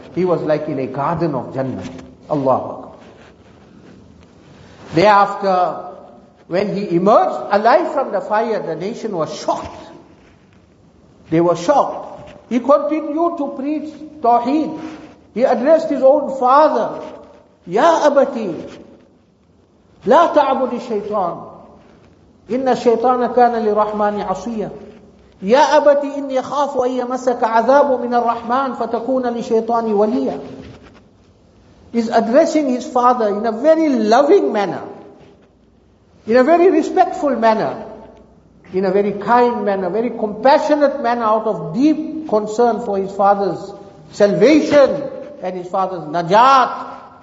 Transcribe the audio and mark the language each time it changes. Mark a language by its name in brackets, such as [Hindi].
[English] He was like in a garden of Jannah. Allahu Akbar. Thereafter, when he emerged alive from the fire, the nation was shocked. They were shocked. He continued to preach Tawheed. He addressed his own father, [Arabic] Ya Abati, La Ta'budi Shaitan, Inna Shaitana Kana Li Rahmani Asiyah. يا أبتي إني أخاف أن يمسك عذاب من الرحمن فتكون لشيطاني وليا. [English] He's addressing his father in a very loving manner, in a very respectful manner, in a very kind manner, very compassionate manner, out of deep concern for his father's salvation and his father's najat.